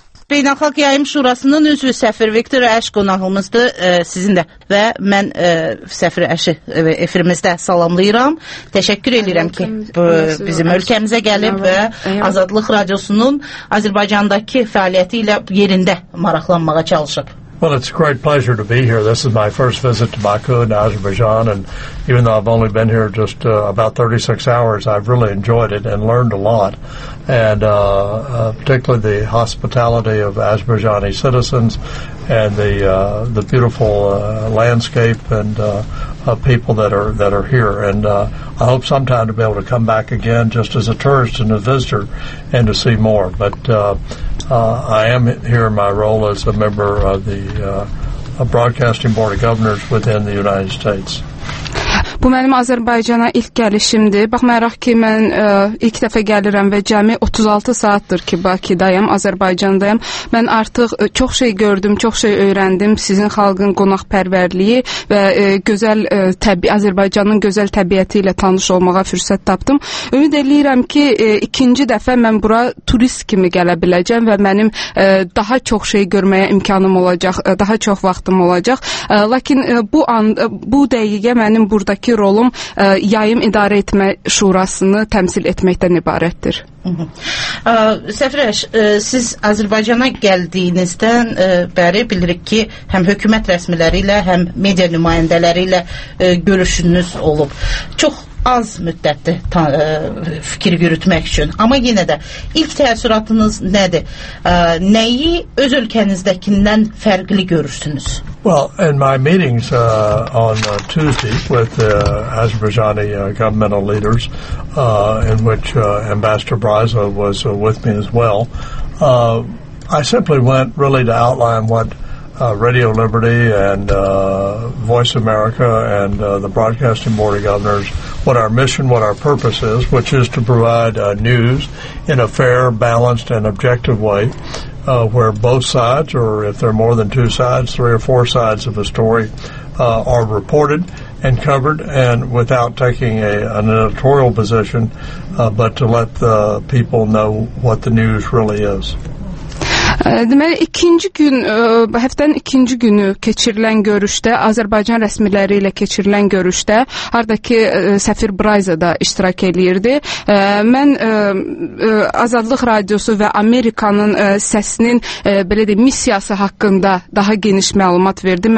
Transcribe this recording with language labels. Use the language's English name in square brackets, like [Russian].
[Azerbaijani] Beynəlxalq Yayım Şurasının üzvü səfir Viktor Əş qonağımızdır sizin də və mən səfir Əşi efirimizdə salamlayıram. Təşəkkür edirəm ki, bu, bizim ölkəmizə gəlib və Azadlıq Radiosunun Azərbaycandakı fəaliyyəti ilə yerində maraqlanmağa çalışıb. [English] Well, it's a great pleasure to be here. This is my first visit to Baku in Azerbaijan, and even though I've only been here just about 36 hours, I've really enjoyed it and learned a lot, and particularly the hospitality of Azerbaijani citizens and the beautiful landscape and people that are here. And I hope sometime to be able to come back again just as a tourist and a visitor and to see more. But I am here in my role as a member of the Broadcasting Board of Governors within the United States. [Azerbaijani] Bu mənim Azərbaycana ilk gəlişimdir. Baxmayaraq ki, mən ilk dəfə gəlirəm və cəmi 36 saatdır ki, Bakıdayam, Azərbaycandayam. Mən artıq çox şey gördüm, çox şey öyrəndim. Sizin xalqın qonaqpərvərliyi və gözəl Azərbaycanın gözəl təbiəti ilə tanış olmağa fürsət tapdım. Ümid edirəm ki, ikinci dəfə mən bura turist kimi gələ biləcəm və mənim daha çox şey görməyə imkanım olacaq, daha çox vaxtım olacaq. Lakin bu dəqiqə mənim burada ki rolum yayım idarə etmə şurasını təmsil etməkdən ibarətdir. Səfirəş, siz Azərbaycana gəldiyinizdən bəri bilirik ki, həm hökumət rəsmiləri ilə, həm media nümayəndələri ilə görüşünüz olub. Çox az müddətdir fikir yürütmək üçün. Amma yenə də ilk təəssüratınız nədir? Nəyi öz ölkənizdəkindən fərqli görürsünüz? [English] Well, in my meetings on Tuesday with Azerbaijani governmental leaders, in which Ambassador Braza was with me as well, I simply went really to outline what Radio Liberty and Voice America and the Broadcasting Board of Governors, what our mission, what our purpose is, which is to provide news in a fair, balanced, and objective way, where both sides, or if there are more than two sides, three or four sides of a story, are reported and covered, and without taking an editorial position, but to let the people know what the news really is. [Azerbaijani] Deməli, ikinci gün, həftənin ikinci günü keçirilən görüşdə, Azərbaycan rəsmiləri ilə keçirilən görüşdə, haradakı səfir Braiza da iştirak eləyirdi. Mən Azadlıq Radiosu və Amerikanın səsinin belə deyim, missiyası haqqında daha geniş məlumat verdim.